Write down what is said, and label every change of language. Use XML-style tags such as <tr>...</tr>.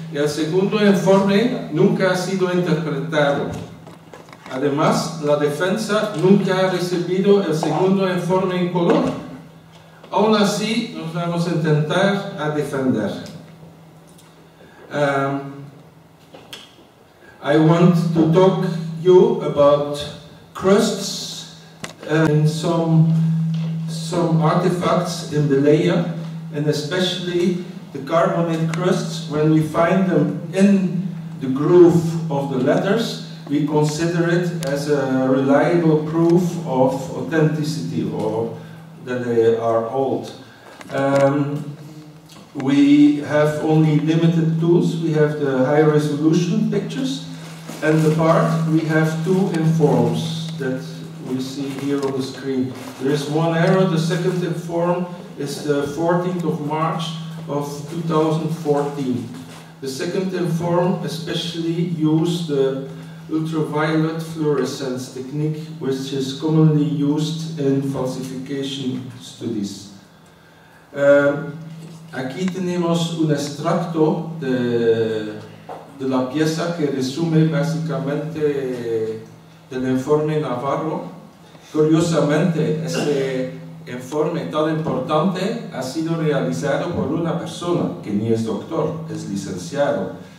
<es>Y el segundo informe nunca ha sido interpretado. Además, la defensa nunca ha recibido el segundo informe en color. Aún así, nos vamos a intentar a defender.</es> <en>I want to talk you about crusts and some artifacts in Velea, and especially the carbonate crusts. When we find them in the groove of the letters, we consider it as a reliable proof of authenticity, or that they are old. We have only limited tools. We have the high resolution pictures, And the part, we have two informs that we see here on the screen. There is one error, the second inform is the 14th of March of 2014. The second inform especially used the ultraviolet fluorescence technique, which is commonly used in falsification studies.</en> <es>Aquí tenemos un extracto de la pieza que resume básicamente del informe Navarro. Curiosamente, ese informe tan importante ha sido realizado por una persona que ni es doctor, es licenciado.</es>